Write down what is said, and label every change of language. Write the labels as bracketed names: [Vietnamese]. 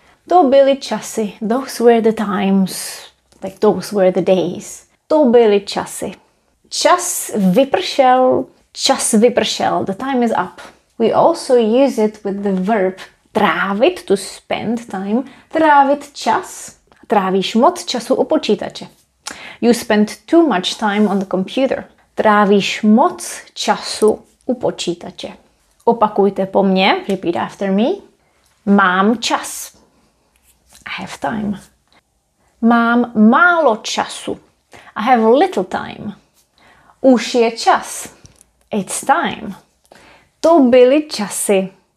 [Czech] To byly časy, [English] those were the times, like those were the days. [Czech] To byly časy. Čas vypršel, [English] the time is up. We also use it with the verb trávit, to spend time. [Czech] Trávit čas, trávíš moc času u počítače. [English] You spend too much time on the computer. [Czech] Trávíš moc času u počítače. Opakujte po mně, [English] repeat after me. [Czech] Mám čas. [English] I have time. [Czech] Mám málo času. [English] I have little time. [Czech] Už je čas. [English] It's time. [Czech] To byly časy.